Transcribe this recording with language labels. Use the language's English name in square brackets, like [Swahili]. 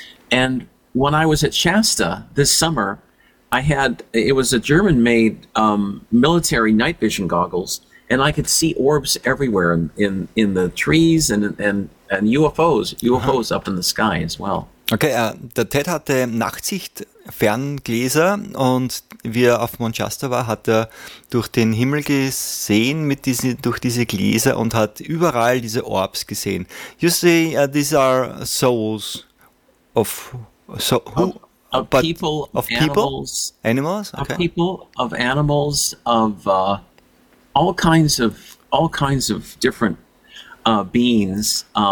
[English] And when I was at Shasta this summer, it was a German-made military night vision goggles, and I could see orbs everywhere in the trees and UFOs up in the sky as well. [German] Okay, der Ted hatte Nachtsichtferngläser und wie er auf Mount Shasta war, hat er durch den Himmel gesehen durch diese Gläser und hat überall diese Orbs gesehen. [English] You see, these are souls of all kinds of different beings.